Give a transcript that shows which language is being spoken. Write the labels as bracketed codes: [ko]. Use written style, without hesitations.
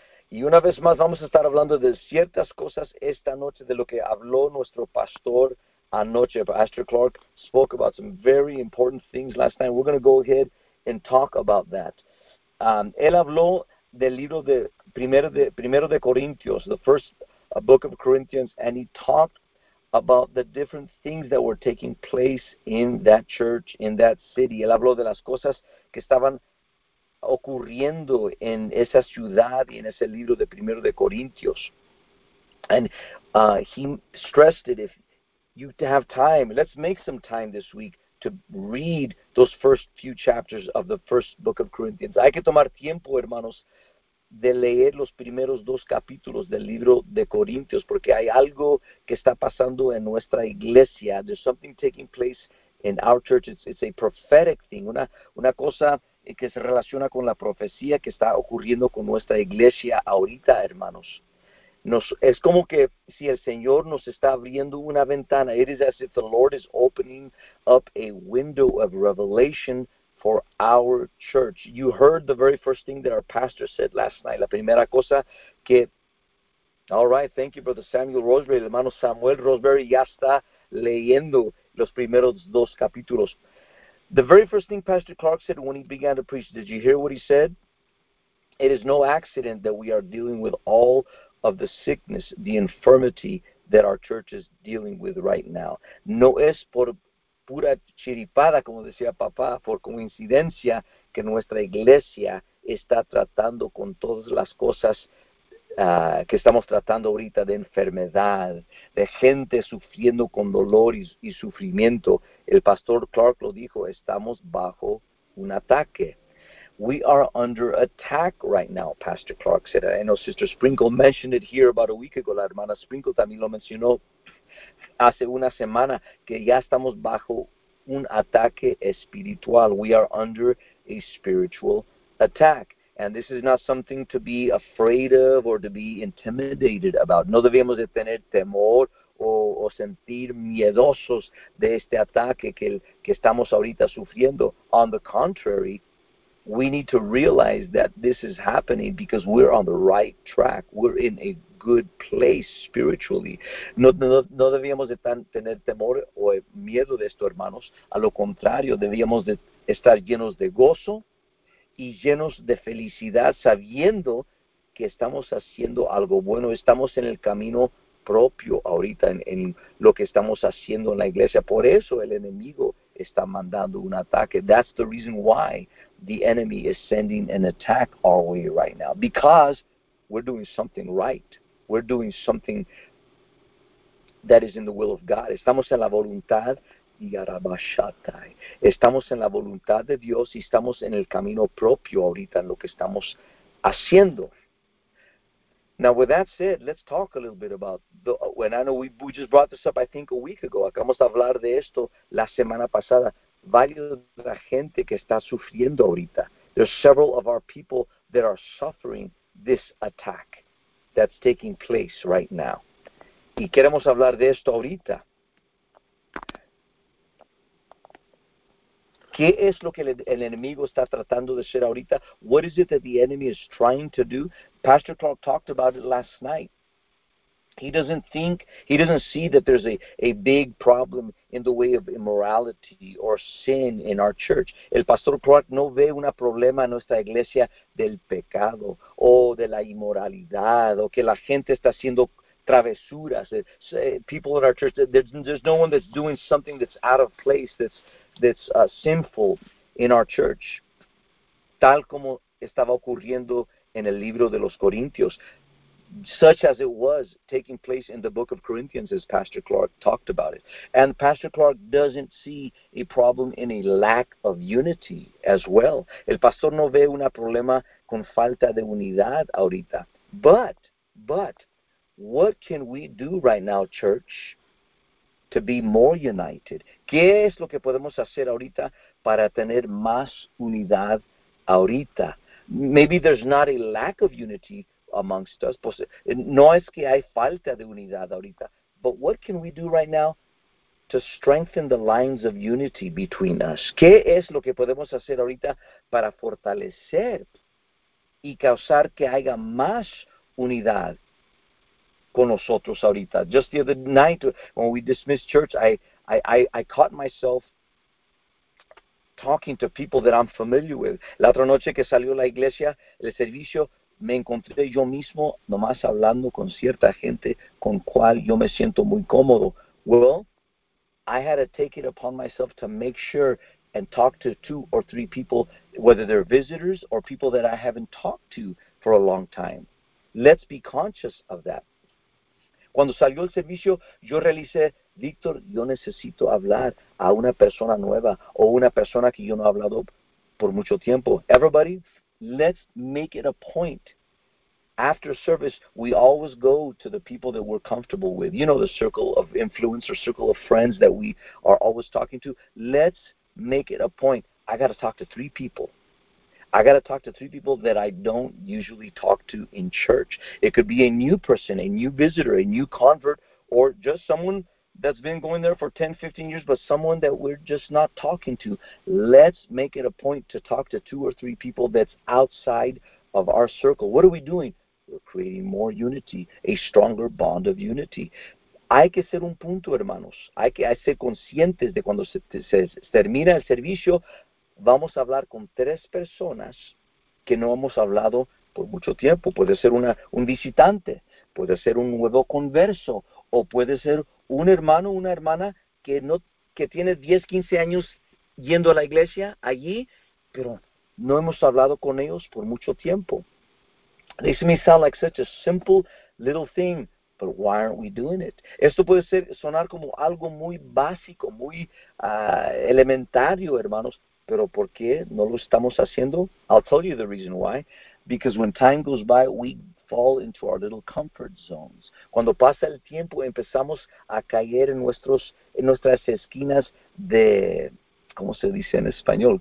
[es] Y una vez más vamos a estar hablando de ciertas cosas esta noche, de lo que habló nuestro pastor anoche. [en] Pastor Clark spoke about some very important things last night. We're going to go ahead and talk about that. [es] Él habló del libro de Primero de Corintios, [en] the first book of Corinthians, and he talked about the different things that were taking place in that church, in that city. [es] Él habló de las cosas que estaban ocurriendo en esa ciudad y en ese libro de Primero de Corintios. [en] And he stressed it, if you have time, let's make some time this week to read those first few chapters of the first book of Corinthians. [es] Hay que tomar tiempo, hermanos, de leer los primeros dos capítulos del libro de Corintios, porque hay algo que está pasando en nuestra iglesia. [en] There's something taking place in our church. It's a prophetic thing, [es] una cosa que se relaciona con la profecía que está ocurriendo con nuestra iglesia ahorita, hermanos. Es como que si el Señor nos está abriendo una ventana. [en] It is as if the Lord is opening up a window of revelation for our church. You heard the very first thing that our pastor said last night. [es] La primera cosa que... [en] All right, thank you, Brother Samuel Rosberry. [es] El hermano Samuel Rosberry ya está leyendo los primeros dos capítulos. [en] The very first thing Pastor Clark said when he began to preach, did you hear what he said? It is no accident that we are dealing with all of the sickness, the infirmity that our church is dealing with right now. [es] No es por pura chiripada, como decía papá, por coincidencia que nuestra iglesia está tratando con todas las cosas que estamos tratando ahorita, de enfermedad, de gente sufriendo con dolor y sufrimiento. El pastor Clark lo dijo, estamos bajo un ataque. [en] We are under attack right now, Pastor Clark said. I know Sister Sprinkle mentioned it here about a week ago. [es] La hermana Sprinkle también lo mencionó hace una semana, que ya estamos bajo un ataque espiritual. [en] We are under a spiritual attack. And this is not something to be afraid of or to be intimidated about. No debemos de tener temor o sentir miedosos de este ataque que estamos ahorita sufriendo. On the contrary, we need to realize that this is happening because we're on the right track. We're in a good place spiritually. [es] No debíamos de tener temor o miedo de esto, hermanos. A lo contrario, debíamos de estar llenos de gozo y llenos de felicidad, sabiendo que estamos haciendo algo bueno. Estamos en el camino propio ahorita en lo que estamos haciendo en la iglesia. Por eso el enemigo está mandando un ataque. [en] That's the reason why the enemy is sending an attack our way right now. Because we're doing something right. We're doing something that is in the will of God. [es] Estamos en la voluntad y arabashatai. Estamos en la voluntad de Dios y estamos en el camino propio ahorita en lo que estamos haciendo. [en] Now, with that said, let's talk a little bit about when I know we just brought this up, I think, a week ago. [es] Acabamos de hablar de esto la semana pasada. Varios de la gente que está sufriendo ahorita. [en] There's several of our people that are suffering this attack that's taking place right now. [es] Y queremos hablar de esto ahorita. ¿Qué es lo que el enemigo está tratando de hacer ahorita? [en] What is it that the enemy is trying to do? Pastor Clark talked about it last night. He doesn't see that there's a big problem in the way of immorality or sin in our church. [es] El pastor Clark no ve un problema en nuestra iglesia del pecado o de la inmoralidad o que la gente está haciendo travesuras. [en] People in our church, there's no one that's doing something that's out of place, that's sinful in our church. [es] Tal como estaba ocurriendo en el libro de los Corintios. [en] Such as it was taking place in the book of Corinthians, as Pastor Clark talked about it. And Pastor Clark doesn't see a problem in a lack of unity as well. [es] El pastor no ve un problema con falta de unidad ahorita. [en] But, what can we do right now, church, to be more united? [es] ¿Qué es lo que podemos hacer ahorita para tener más unidad ahorita? [en] Maybe there's not a lack of unity amongst us. [es] Pues, no es que hay falta de unidad ahorita, [en] but what can we do right now to strengthen the lines of unity between us. [es] ¿Qué es lo que podemos hacer ahorita para fortalecer y causar que haya más unidad con nosotros ahorita? [en] Just the other night when we dismissed church, I caught myself talking to people that I'm familiar with. [es] La otra noche que salió la iglesia, el servicio, me encontré yo mismo nomás hablando con cierta gente con cual yo me siento muy cómodo. [en] Well, I had to take it upon myself to make sure and talk to two or three people, whether they're visitors or people that I haven't talked to for a long time. Let's be conscious of that. [es] Cuando salió el servicio, yo realicé, Víctor, yo necesito hablar a una persona nueva o una persona que yo no he hablado por mucho tiempo. [en] Everybody, let's make it a point. After service, we always go to the people that we're comfortable with. You know, the circle of influence or circle of friends that we are always talking to. Let's make it a point. I got to talk to three people. I got to talk to three people that I don't usually talk to in church. It could be a new person, a new visitor, a new convert, or just someone that's been going there for 10, 15 years, but someone that we're just not talking to. Let's make it a point to talk to two or three people that's outside of our circle. What are we doing? We're creating more unity, a stronger bond of unity. [es] Hay que ser un punto, hermanos. Hay que ser conscientes de cuando se termina el servicio, vamos a hablar con tres personas que no hemos hablado por mucho tiempo. Puede ser un visitante, puede ser un nuevo converso, o puede ser un hermano, una hermana que tiene 10, 15 años yendo a la iglesia allí, pero no hemos hablado con ellos por mucho tiempo. [en] This may sound like such a simple little thing, but why aren't we doing it? [es] Esto puede sonar como algo muy básico, muy elementario, hermanos, pero ¿por qué no lo estamos haciendo? [en] I'll tell you the reason why. Because when time goes by, we fall into our little comfort zones. [es] Cuando pasa el tiempo, empezamos a caer en nuestras esquinas de, ¿cómo se dice en español?